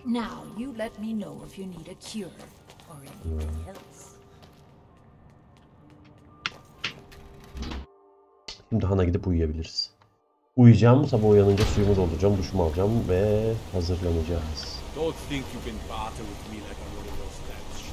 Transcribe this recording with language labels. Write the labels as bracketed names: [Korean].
[English] Now you let me know if you need a cure or anything else. [Turkish] Şimdi hana gidip uyuyabiliriz. Uyuyacağım, sabah uyanınca suyumu dolduracağım, duşumu alacağım ve hazırlanacağız. [English] Don't think you can barter with me like one of those guys.